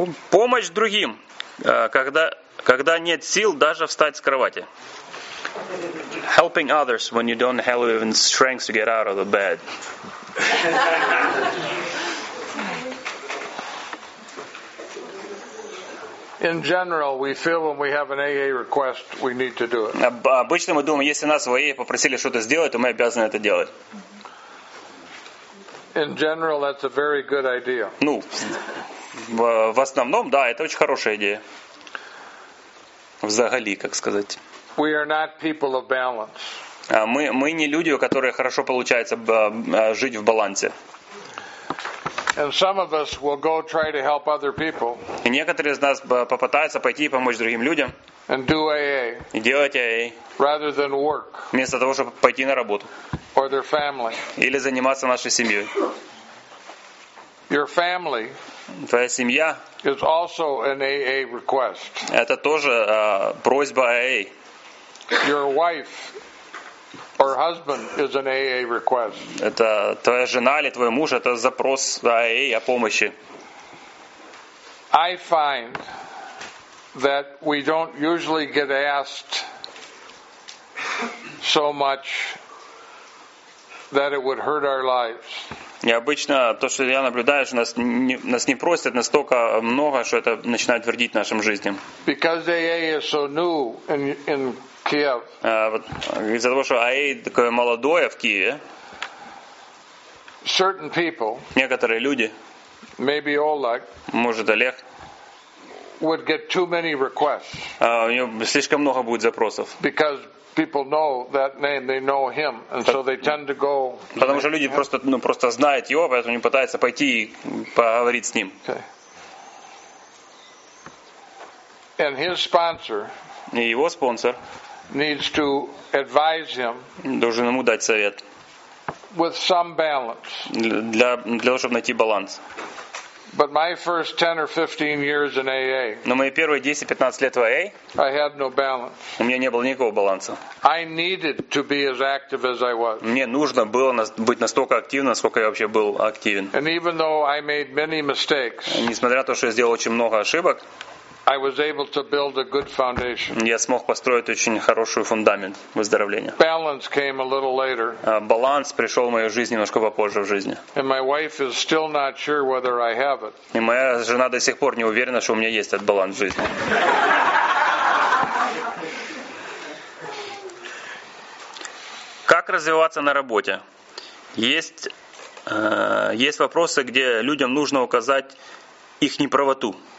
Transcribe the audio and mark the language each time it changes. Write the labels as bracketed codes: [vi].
[ru] Помощь другим, когда нет сил даже встать с кровати. [en] Helping others when you don't have even strength to get out of the bed. In general, we feel when we have an AA request, we need to do it. [ru] Обычно мы думаем, если нас в АА попросили что-то сделать, то мы обязаны это делать. [en] In general, that's a very good idea. [ru] Ну, в основном, да, это очень хорошая идея. Взагалі, как сказать. [en] We are not people of balance. [ru] Мы не люди, у которых хорошо получается жить в балансе. [en] And some of us will go try to help other people. [ru] И некоторые из нас попытаются пойти и помочь другим людям. [en] And do AA. [ru] И делать AA. [en] Rather than work. [ru] Вместо того, чтобы пойти на работу. [en] Or their family. [ru] Или заниматься нашей семьей. [en] Your family. [ru] Твоя семья. [en] Is also an AA request. [ru] Это тоже просьба AA. [en] Your wife. Or husband is an AA request. [ru] Это твоя жена или твой муж, это запрос AA о помощи. [en] I find that we don't usually get asked so much that it would hurt our lives. [ru] И обычно то, что я наблюдаю, что нас не просят настолько много, что это начинает вредить нашим жизням. [en] Because AA is so new in Киев. [ru] Из-за того, что АА такое молодое в Киеве. [en] Certain people. [ru] Некоторые люди. [en] Maybe Oleg. [ru] Может, Олег. [en] Would get too many requests. [ru] У него слишком много будет запросов. [en] Because people know that name, they know him, and so they tend to go. [ru] Потому что люди просто, ну, просто знают его, поэтому они пытаются пойти и поговорить с ним. [en] Okay. And his sponsor. [ru] И его спонсор [en] needs to advise him [ru] должен ему дать совет [en] with some balance. [ru] Для того, чтобы найти баланс. [en] But my first 10 or 15 years in AA. [ru] Но мои первые 10-15 лет в AA. [en] I had no balance. [ru] У меня не было никакого баланса. [en] I needed to be as active as I was. [ru] Мне нужно было быть настолько активным, насколько я вообще был активен. [en] And even though I made many mistakes. [ru] Несмотря на то, что я сделал очень много ошибок. [en] I was able to build a good foundation. [ru] Я смог построить очень хороший фундамент выздоровления. [en] Balance came a little later. [ru] Баланс пришел в мою жизнь немножко попозже в жизни. [en] And my wife is still not sure whether I have it. [ru] И моя жена до сих пор не уверена, что у меня есть этот баланс в жизни. Как развиваться на работе? Есть вопросы, где людям нужно указать их неправоту.